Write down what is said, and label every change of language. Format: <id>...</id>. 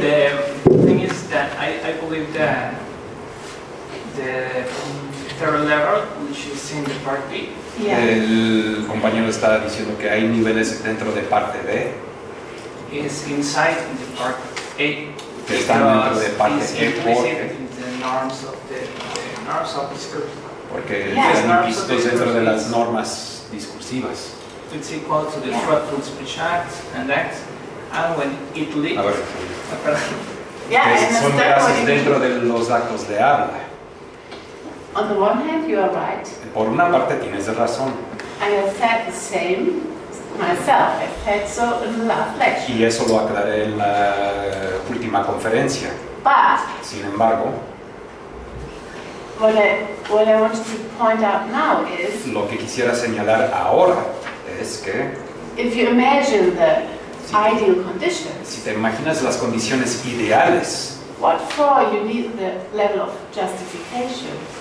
<en>The thing is that I believe that the third level, which is in the part B, yeah.</en> <es>El compañero está diciendo que hay niveles dentro de parte B.</es> <en>Is inside in the part A.</en> <es>Que están dentro de parte A porque están implícitos dentro de las normas discursivas.</es> <en>It's equal to the truthful speech act and act, and when it leaves. Yeah,</en> <es>son frases dentro de los actos de habla.</es> <en>On the one hand, you are right.</en> <es>Por una parte tienes razón.</es> <en>I have said the same myself. I said so in the last lecture.</en> <es>Y eso lo aclaré en la última conferencia.</es> <en>But,</en> <es>sin embargo,</es> <en>what I want to point out now is.</en> <es>Lo que quisiera señalar ahora es que.</es> <en>If you imagine the ideal conditions.</en> <es>Si te imaginas las condiciones ideales.</es> <en>What for you need the level of justification?</en>